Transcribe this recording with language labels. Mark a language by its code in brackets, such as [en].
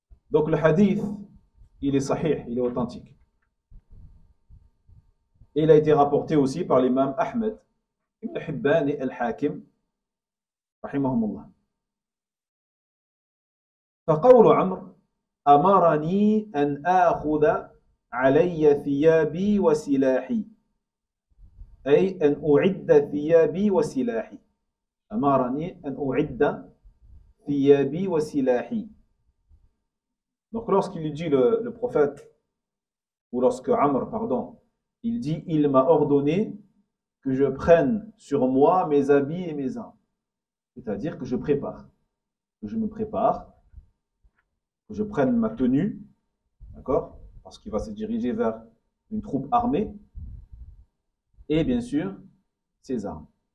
[fr] Donc le hadith, il est sahih, il est authentique. Et il a été rapporté aussi par l'imam Ahmed, Ibn Hibban et Al-Hakim, رحمهم الله. [ar] فقول عمر أمرني أن آخذ علي ثيابي وسلاحي أي أن أعد ثيابي وسلاحي أمرني أن أعد ثيابي وسلاحي. [fr] Donc lorsqu'il dit le prophète, ou lorsque Amr, pardon, il dit, il m'a ordonné que je prenne sur moi mes habits et mes armes. C'est-à-dire que je prépare, que je me prépare, que je prenne ma tenue, d'accord, parce qu'il va se diriger vers une troupe armée, et bien sûr, ses armes.